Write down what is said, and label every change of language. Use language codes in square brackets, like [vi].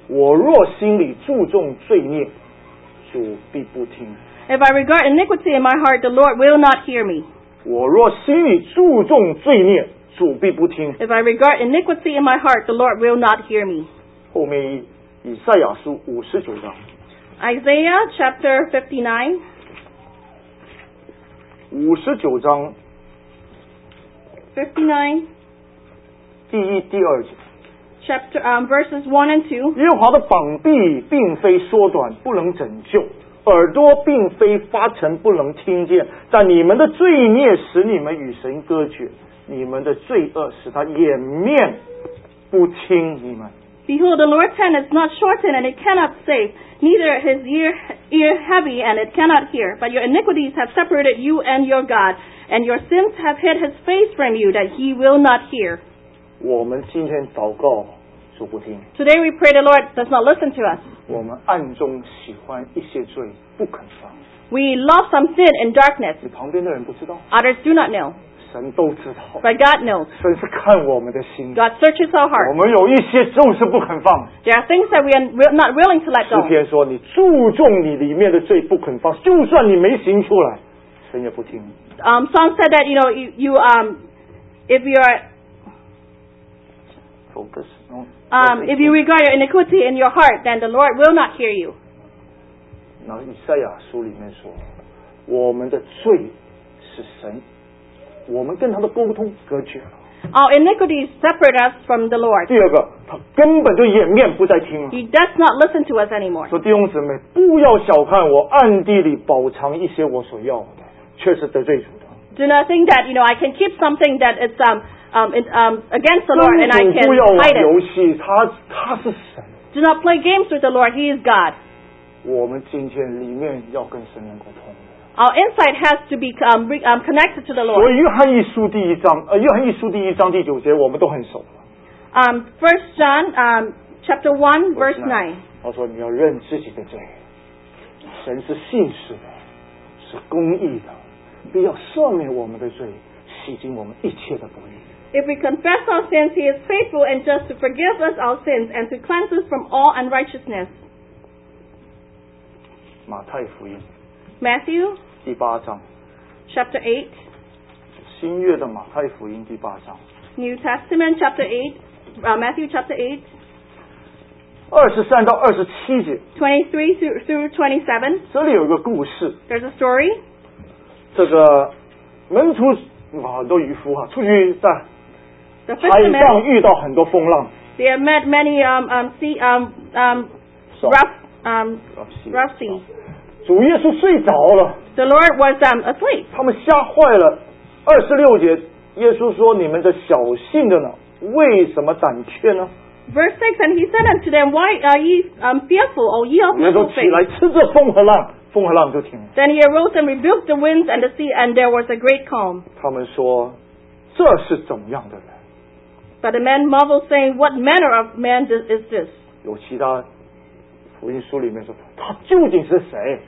[zh] 我若心里注重罪孽，主必不听。 [en] If I regard iniquity in my heart, the Lord will not hear me. [zh] 我若心里注重罪孽，主必不听。 [en] If I regard iniquity in my heart, the Lord will not hear me. [zh] 后面以赛亚书五十九章。 [en] Isaiah chapter 59. [zh] 五十九章。 59. 第二节。 [en] Chapter, verses 1 and 2. [zh] 耶和华的膀臂并非缩短，不能拯救；耳朵并非发沉，不能听见。但你们的罪孽使你们与神隔绝，你们的罪恶使他掩面不听你们。 [en] Behold, the Lord's hand is not shortened and it cannot save, neither his ear heavy and it cannot hear. But your iniquities have separated you and your God, and your sins have hid his face from you that he will not hear. [zh] 我们今天祷告主不听 [en] Today we pray the Lord does not listen to us [zh] 我们暗中喜欢一些罪不肯放 [en] We love some sin in darkness [zh] 你旁边的人不知道 [en] Others do not know [zh] 神都知道 [en] But God knows [zh] 神是看我们的心 [en] God searches our heart [zh] 我们有一些就是不肯放 [en] There are things that we are not willing to let go [zh] 诗篇说你注重你里面的罪不肯放就算你没行出来神也不听 [en] Psalm said that you know if you areIf you regard your iniquity in your heart, then the Lord will not hear you. [zh] 那以赛亚书里面说，我们的罪是神，我们跟他的沟通隔绝了。 [en] Our iniquities separate us from the Lord. [zh] 第二个，他根本就掩面不再听了。 [en] He does not listen to us anymore. [zh] 说弟兄姊妹，不要小看我暗地里保藏一些我所要的，却是得罪主的。 [en] Do not think that you know I can keep something that it's against the Lord, and I can hide it. [zh] 他是神。 [en] Do not play games with the Lord. He is God. [zh] 我们今天里面要跟神能够通。 [en] Our insight has to be connected to the Lord. [zh] 所以约翰一书第一章，约翰一书第一章第九节，我们都很熟。 [en] First John, chapter 1, verse 9. [zh] 他说：“你要认自己的罪，神是信实的，是公义的，必要赦免我们的罪，洗净我们一切的不义。” [en] If we confess our sins, He is faithful and just to forgive us our sins and to cleanse us from all unrighteousness. [zh] 马太福音 [en] Matthew [zh] 第八章 [en] Chapter 8 [zh] 新约的马太福音第八章 [en] New Testament chapter 8 Matthew chapter 8 [zh] 23到27节 23 [en] through 27 [zh] 这里有一个故事 [en] There's a story [zh] 这个门徒好多渔夫出去在海上遇到很多风浪 [en] They have met many rough sea. [zh] 主耶稣睡着了 [en] The Lord was asleep [zh] 他们吓坏了二十六节，耶稣说：“你们的小信的呢？为什么胆怯呢？” [en] Verse 6, and he said unto them, "Why are ye fearful, O ye of little faith?" [zh] 耶稣起来斥责风和浪，风和浪就停了。 [en] Then he arose and rebuked the winds and the sea, and there was a great calm. [zh] 他们说：“这是怎么样的人？” [en] But the man marvelled, saying, "What manner of man is this?" [zh] 有其他福音书里面说，他究竟是谁？